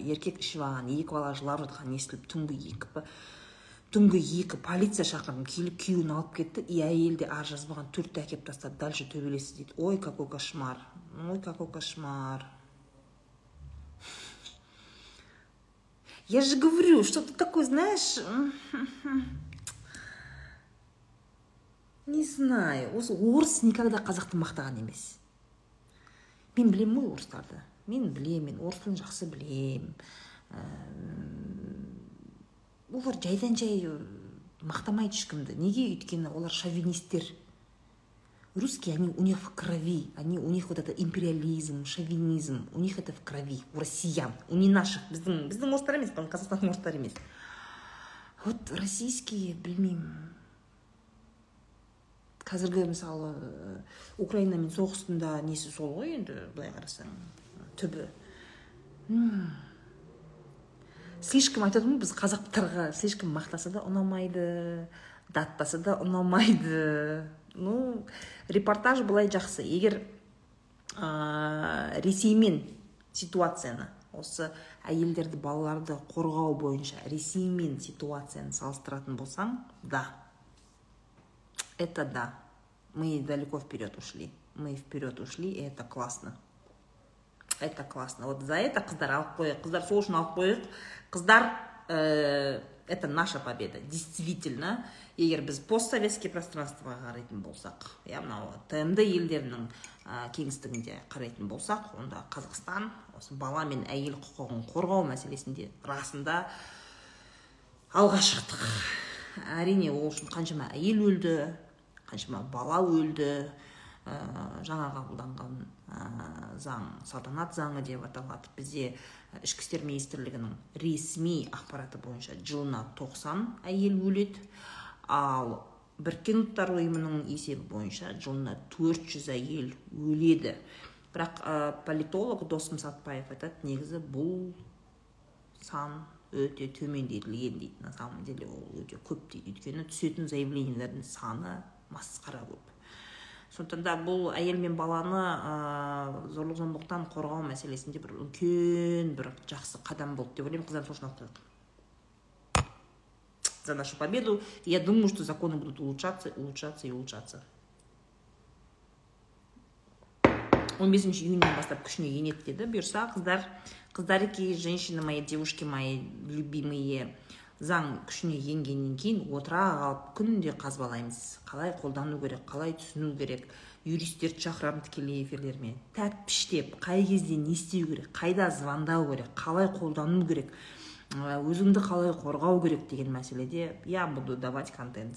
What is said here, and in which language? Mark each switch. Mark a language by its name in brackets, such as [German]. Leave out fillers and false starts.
[Kazakh] Еркек ішіваған, екі бала жылап жатқан, естіліп, түнгі екі полиция шақырдым, келіп күйеуін алып кетті, и әйелде ар жазбаған төртті әкеп тастады, дальше төбелесі дейді. [Russian] Ой, какой кошмар. Я же говорю, что-то такое, знаешь, не знаю. [Kazakh] Орыс никогда қазақты мақтаған емес. Мен білем ой орыстарды. Мен орыстың жақсы білем. Олар жайдан жай мақтамайды ешкімді. Неге өйткені олар шовинистер. [Russian] Русские, они у них в крови, они у них вот это империализм, шовинизм, у них это в крови, у россиян, у не наших, [Kazakh] біздің орыстар емес, [Russian] по-моему, [Kazakh] Қазақстан орыстар емес. [Russian] Вот российские, [Kazakh] білмеймін, қазіргі, мысалы, Украина мен соғысында несі сол ғой енді, былай қарасаң, түбі. Слишком айтады ма, біз қазақтарға слишком мақтаса да ұнамайды, даттаса да ұнамайды. Ну, репортаж былай жақсы. Егер ресеймен ситуацияны, осы әйелдерді, балаларды қорғау бойынша ресеймен ситуацияны салыстыратын болсаң, да. [Russian] Это да. Мы далеко вперед ушли. И это классно. Вот за это [Kazakh] қыздар алып қойық. Қыздар сол үшін алып қойық. Қыздар... [Russian] Это наша победа, действительно. [Kazakh] Егер біз [Russian] постсоветский пространство [Kazakh] қарайтын болсақ, яғни ТМД елдерінің кеңістігінде қарайтын болсақ, онда Қазақстан осы бала мен әйел құқығын қорғау мәселесінде расында алға шықтық. Әрине, ол үшін қаншама әйел өлді, қаншама бала өлді, жаңа қабылданған заң, салтанат заңы деп аталады. Бізде Ішкі істер министрлігінің ресми ақпараты бойынша жылына 90 әйел өледі, ал Біріккен ұлттар ұйымының есебі бойынша жылына 400 әйел өледі. Бірақ политолог Досым Сатпаев айтады, негізі бұл сан өте төмен дейтілген дейді. [Russian] На самом деле [Kazakh] ол өте көп дейді, өйткені түсетін заявлениелердің саны масқара көп. Сондықтан да бұл әйел мен баланы зорлық-зомбықтан қорғау мәселесінде бір үлкен бір жақсы қадам болды деп ойлаймын. Қыздар сошын алып тұрады. [Russian] За нашу победу. Я думаю, что законы будут улучшаться. [Kazakh] 15 июня бастап күшіне енеді деді. Бұйырса, қыздар, қыздарыки, [Russian] женщины мои, девушки мои, любимые. [Kazakh] Заң күшіне енгеннен кейін отыра қалып күнде қазбалаймыз. Қалай қолдану керек, қалай түсіну керек, юристтерді шақырам тікелей эфирлермен. Тәппіштеп, қай кезде не істеу керек, қайда звондау керек, қалай қолдану керек, өзіңді қалай қорғау керек деген мәселеде, [Russian] я буду давать контент.